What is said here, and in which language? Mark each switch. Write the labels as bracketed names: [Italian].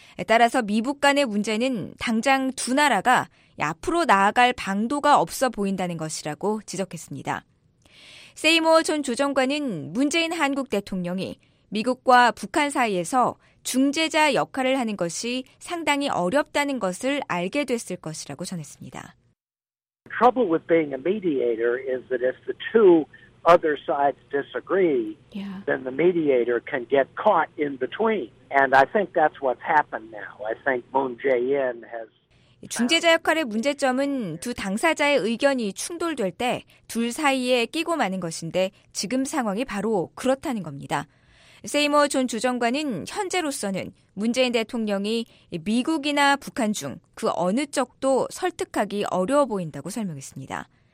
[Korean] 따라서 미북 간의 문제는 당장 두 나라가 앞으로 나아갈 방도가 없어 보인다는 것이라고 지적했습니다. 세이머 전 조정관은 문재인 한국 대통령이 미국과 북한 사이에서 중재자 역할을 하는 것이 상당히 어렵다는 것을 알게 됐을 것이라고 전했습니다. [English] Trouble with being a mediator is that if the two other sides disagree, then the mediator can get caught in between. And I think that's what's happened now. I think Moon Jae-in has [Korean] 중재자 역할의 문제점은 두 당사자의 의견이 충돌될 때 둘 사이에 끼고 마는 것인데 지금 상황이 바로 그렇다는 겁니다. 세이머 존 주정관은 현재로서는 문재인 대통령이 미국이나 북한 중 그 어느 쪽도 설득하기 어려워 보인다고 설명했습니다.